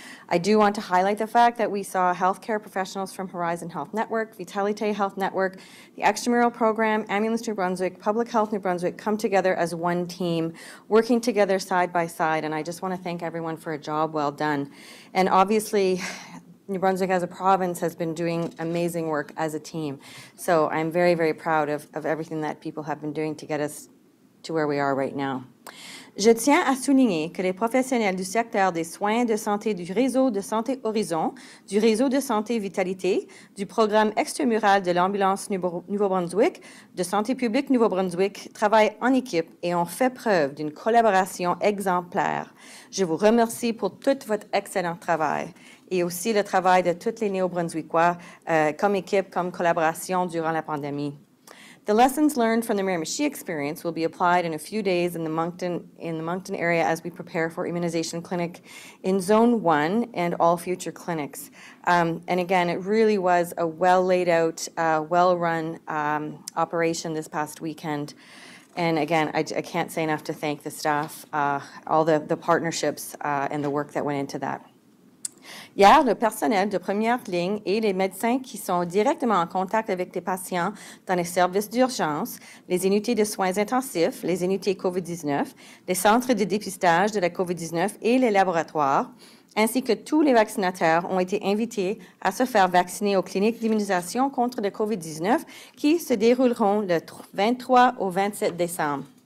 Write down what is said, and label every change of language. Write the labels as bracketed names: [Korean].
[English] I do want to highlight the fact that we saw healthcare professionals from Horizon Health Network, Vitalité Health Network, the Extramural Program, Ambulance New Brunswick, Public Health New Brunswick come together as one team, working together side by side. And I just want to thank everyone for a job well done. And obviously, New Brunswick as a province has been doing amazing work as a team. So I'm very, very proud of everything that people have been doing to get us to where we are right now. [French] Je tiens à souligner que les professionnels du secteur des soins de santé du réseau de santé Horizon, du réseau de santé Vitalité, du programme extramural de l'ambulance Nouveau-Brunswick, de santé publique Nouveau-Brunswick, travaillent en équipe et ont fait preuve d'une collaboration exemplaire. Je vous remercie pour tout votre excellent travail et aussi le travail de toutes les Néo-Brunswickois comme équipe, comme collaboration durant la pandémie. [English] The lessons learned from the Miramichi experience will be applied in a few days in the Moncton area as we prepare for immunization clinic in Zone 1 and all future clinics. And again, it really was a well laid out, well run operation this past weekend. And again, I can't say enough to thank the staff, all the partnerships and the work that went into that. [French] Hier, le personnel de première ligne et les médecins qui sont directement en contact avec les patients dans les services d'urgence, les unités de soins intensifs, les unités COVID-19, les centres de dépistage de la COVID-19 et les laboratoires, ainsi que tous les vaccinateurs ont été invités à se faire vacciner aux cliniques d'immunisation contre le COVID-19 qui se dérouleront le 23 au 27 décembre.